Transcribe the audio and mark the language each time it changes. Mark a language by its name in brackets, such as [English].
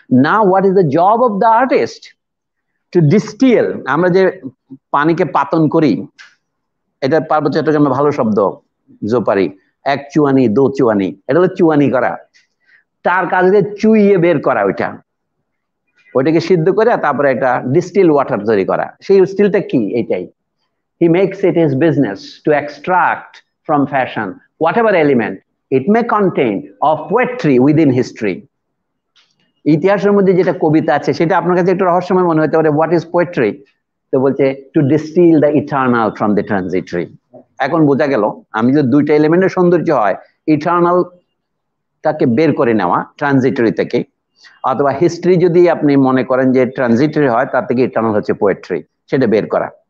[English] now what is the job of the artist to distil, [Bangla] আমরা যে পানিকে পাতন করি, এটা পার্বত্য চট্টগ্রামে ভালো শব্দ জোপারি, এক চুয়ানি দু চুয়ানি, এটা হলো চুয়ানি করা, তার কাছে চুইয়ে বের করা, ওইটা ওইটাকে সিদ্ধ করে তারপরে একটা ডিস্টিল ওয়াটার তৈরি করা, সেই স্টিলটা কি, এইটাই। [English] He makes it his business to extract from fashion whatever element it may contain of poetry within history. [Bangla] ইতিহাসের মধ্যে যেটা কবিতা আছে সেটা আপনার কাছে একটু রহস্যময় মনে হতে পারে, [English] what is poetry? [Bangla] তো বলছে [English] to distill the eternal from the transitory. [Bangla] এখন বোঝা গেল, আমি যদি দুইটা এলিমেন্টের সৌন্দর্য হয়, ইটার্নাল তাকে বের করে নেওয়া ট্রানজিটরি থেকে, অথবা হিস্ট্রি যদি আপনি মনে করেন যে ট্রানজিটরি হয় তার থেকে ইটার্নাল হচ্ছে পোয়েট্রি, সেটা বের করা।